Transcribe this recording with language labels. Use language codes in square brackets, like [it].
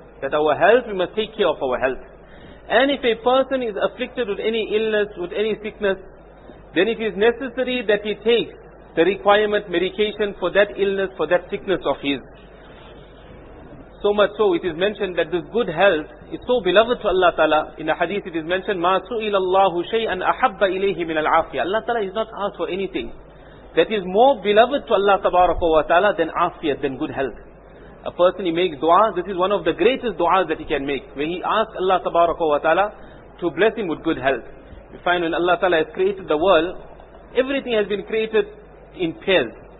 [en] That our health, we must take care of our health. And if a person is afflicted with any illness, with any sickness, then it is necessary that he takes the requirement medication for that illness, for that sickness of his. So much so, it is mentioned that this good health is so beloved to Allah Ta'ala. In a hadith it is mentioned, [ar] مَا سُئِلَ اللَّهُ شَيْئًا أَحَبَّ إِلَيْهِ مِنَ الْعَافِيَةِ. [en] Allah Ta'ala is not asked for anything that is more beloved to Allah Tabaraka wa Ta'ala than afiyah, than good health. A person, he makes dua, this is one of the greatest duas that he can make, where he asks Allah Tabaraka wa Ta'ala to bless him with good health. We find when Allah Ta'ala has created the world, everything has been created in pairs.